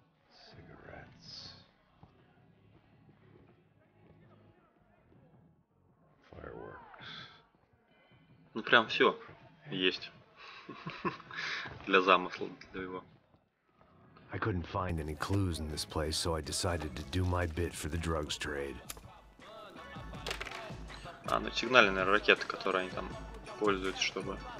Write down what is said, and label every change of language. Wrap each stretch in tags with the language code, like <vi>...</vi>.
<en>Cigarettes. Fireworks.</en> <ru>Ну прям все есть для замысла для его.</ru> <en>I couldn't find any clues in this place, so I decided to do my bit for the drugs trade.</en> <ru>А, ну сигнальная ракета, которую они там пользуются, чтобы.</ru>